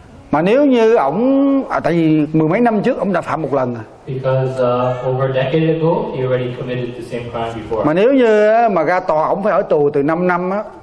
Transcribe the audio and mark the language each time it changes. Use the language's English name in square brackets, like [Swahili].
[Vietnamese] Mà nếu như ổng, tại vì mười mấy năm trước ổng đã phạm một lần à. [English] Because over a decade ago, he already committed the same crime before. [Vietnamese] Mà nếu như mà ra tòa ổng phải ở tù từ 5 năm á.